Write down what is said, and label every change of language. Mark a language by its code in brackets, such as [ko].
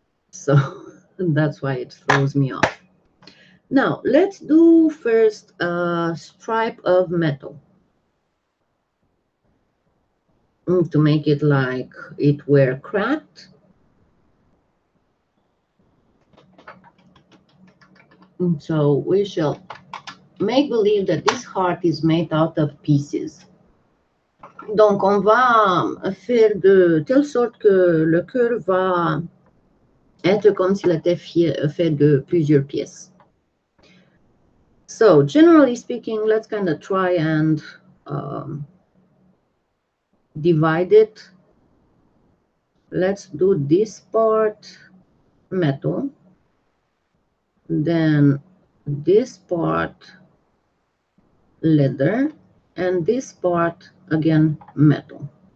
[en] So that's why it throws me off. Now, let's do first a stripe of metal to make it like it were cracked. So we shall make believe that this heart is made out of pieces. [fr] Donc, on va faire de telle sorte que le cœur va être comme s'il était fait de plusieurs pièces. [en] So, generally speaking, let's kind of try and divide it. Let's do this part metal, then this part leather, and this part again metal.